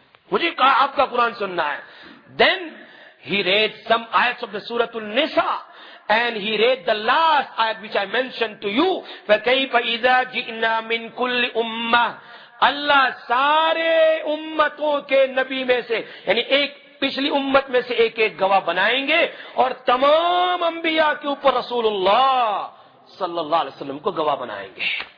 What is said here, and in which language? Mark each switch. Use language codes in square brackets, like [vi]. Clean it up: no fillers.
[ur] مجھے کہا آپ کا قرآن سننا ہے. [en] Then he read some ayats of the Surah Al-Nisa and he read the last ayat which I mentioned to you. [ar] فَكَيْفَ إِذَا جِئْنَا مِن كُلِّ أُمَّةِ. [ur] اللہ سارے امتوں کے نبی میں سے, یعنی ایک پچھلی امت میں سے ایک ایک گواہ بنائیں گے اور تمام انبیاء کے اوپر رسول اللہ صلی اللہ علیہ وسلم کو گواہ بنائیں گے.